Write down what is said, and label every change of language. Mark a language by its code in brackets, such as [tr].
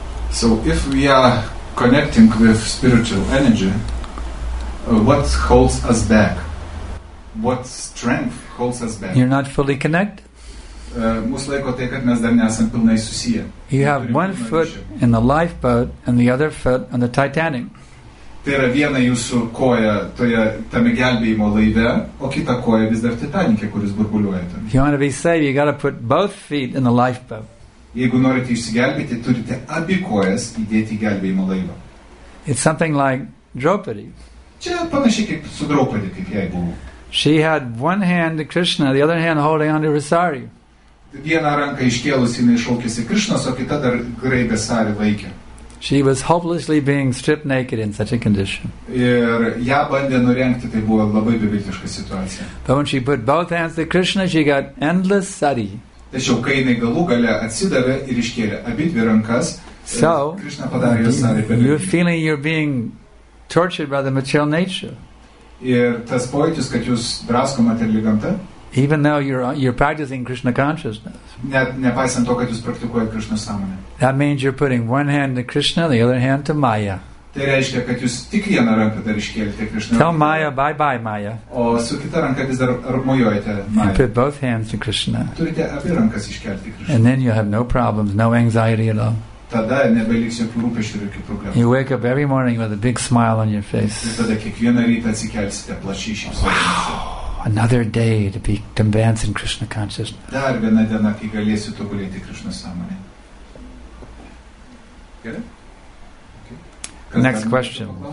[en] So if we are connecting with spiritual energy, what holds us back? What strength holds us back? You're not fully connected? [lt] Mūsų laiko tai, kad mes dar nesam pilnai susiję. [en] You have one foot in the lifeboat and the other foot on the Titanic. [lt] Tai yra viena jūsų koja tame gelbėjimo laive, o kita koja vis dar Titanike, kuris burbuliuoja ten. [en] If you want to be saved, you got to put both feet in the lifeboat. [lt] Jeigu norite išsigelbėti, turite abi kojas įdėti į gelbėjimo laivą. [en] It's something like Draupadi. [lt] Čia panašiai kaip su Draupadi, kaip jai buvo. [en] She had one hand to Krishna, the other hand holding on to her sari. [lt] Viena ranka iškėlusi, jinai šaukėsi Krishnas, o kita dar graibė sari laikė. [en] She was hopelessly being stripped naked in such a condition. [lt] Ir ją bandė nurengti, tai buvo labai beviltiška situacija. [en] But when she put both hands to Krishna, she got endless sari. [lt] Tačiau kai jinai galų gale atsidavė ir iškėlė abidvi rankas, [en] so, [lt] Krishna padarė jos sari beviltiška. [en] You're feeling you're being tortured by the material nature. [lt] Ir tas pojūtis, kad jūs drasko materialią gamtą. [en] Even though you're practicing Krishna consciousness. [lt] Nepaisant to, kad jūs praktikuojate Krishna sąmonę. [en] That means you're putting one hand to Krishna, the other hand to Maya. [lt] Tai reiškia, kad jūs tik vieną ranką dar iškėlite Krishna. [en] Tell Maya, bye bye Maya. [lt] O su kita ranka vis dar mojuojate Maya. [en] You put both hands to Krishna. [lt] Turite abi rankas iškelti Krishna. [en] And then you have no problems, no anxiety at all. [lt] Tada nebeliks jokių rūpesčių ir jokių problemų. [en] You wake up every morning with a big smile on your face. [lt] Ir tada kiekvieną rytą atsikelsite plačiai šypsodamasis. [en] Wow. Another day to be to advance in Krishna consciousness. [lt] Dar viena diena, kai galėsiu tobulėti Krishna sąmonę. [en] Okay. Next question.